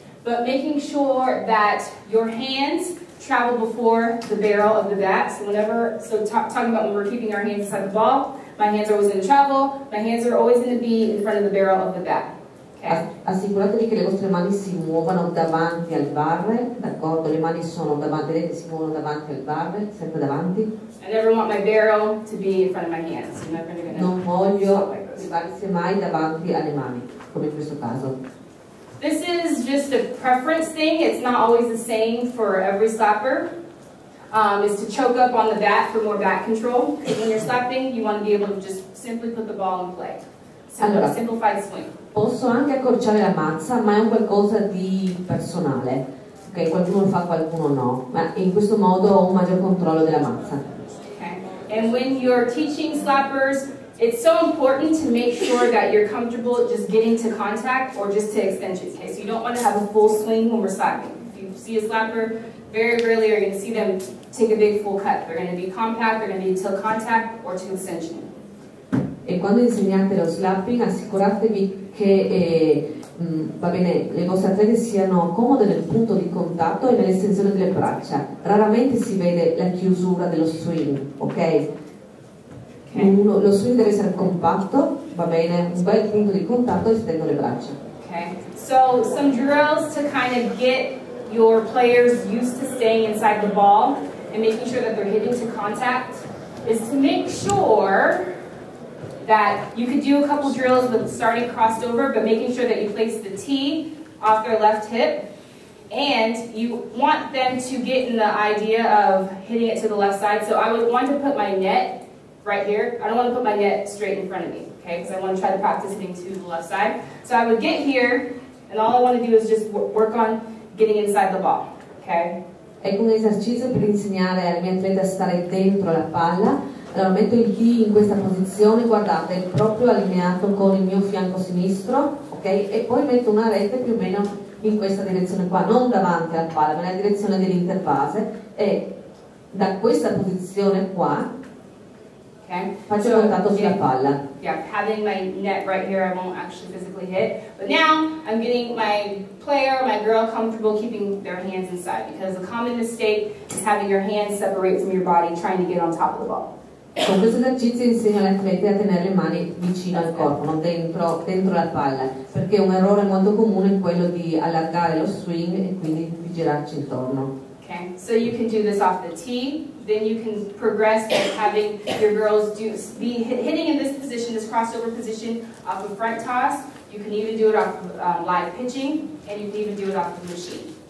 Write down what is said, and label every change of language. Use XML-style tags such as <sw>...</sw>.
<en>But making sure that your hands travel before the barrel of the bat. So whenever, so talking about when we're keeping our hands inside the ball, my hands are always going to travel, my hands are always going to be in front of the barrel of the bat.</en> <it>Assicuratevi che le vostre mani si muovano davanti al barre, d'accordo? Le mani sono davanti, vedete, si muovono davanti al barre, sempre davanti.</it> <en>I never want my barrel to be in front of my hands. So</en> <it>non voglio arrivare mai davanti alle mani, come in questo caso.</it> <en>This is just a preference thing, it's not always the same for every slapper. Is to choke up on the bat for more bat control. When you're slapping, you want to be able to just simply put the ball in play.</en> <it>Allora,</it> <en>simplified swing.</en> <it>Posso anche accorciare la mazza, ma è un qualcosa di personale. Ok, qualcuno lo fa, qualcuno no. Ma in questo modo ho un maggior controllo della mazza.</it> <en>Okay. And when you're teaching slappers, it's so important to make sure that you're comfortable just getting to contact or just to extensions. Okay, so you don't want to have a full swing when we're slapping. If you see a slapper, very rarely are you going to see them take a big full cut. They're going to be compact, they're going to be till contact or to extension.</en> <it>E quando insegnate lo slapping, assicuratevi che va bene, le vostre atlete siano comode nel punto di contatto e nell'estensione delle braccia. Raramente si vede la chiusura dello swing, ok?</it> <en>Okay.</en> <it>Lo swing deve essere compatto, va bene, un bel punto di contatto estendo le braccia.</it> <en>Okay. So some drills to kind of get your players used to staying inside the ball and making sure that they're hitting to contact is to make sure that you could do a couple drills with starting crossed over, but making sure that you place the tee off their left hip, and you want them to get in the idea of hitting it to the left side. So I would want to put my net right here. I don't want to put my net straight in front of me, okay? Because I want to try to practice hitting to the left side. So I would get here, and all I want to do is just work on getting inside the ball, okay?</en> <it>Ecco un esercizio per insegnare al mio atleta a stare dentro la palla. Allora, metto il tee in questa posizione, guardate, è proprio allineato con il mio fianco sinistro, ok? E poi metto una rete più o meno in questa direzione qua, non davanti al palo, ma nella direzione dell'interfase, e da questa posizione qua,</it> <en>okay,</en> <it>faccio contatto sulla palla.</it> <en>Yeah, having my net right here, I won't actually physically hit. But now, I'm getting my player, my girl, comfortable keeping their hands inside, because a common mistake is having your hands separate from your body, trying to get on top of the ball.</en> <it>Con questo esercizio insegno alle atlete a tenere le mani vicino al corpo, non dentro, dentro la palla, perché un errore molto comune è quello di allargare lo swing e quindi di girarci intorno.</it> <en>Okay, so you can do this off the tee, then you can progress by having your girls do, be hitting in this position, this crossover position, off a front toss, you can even do it off live pitching, and you can even do it off the machine.</en>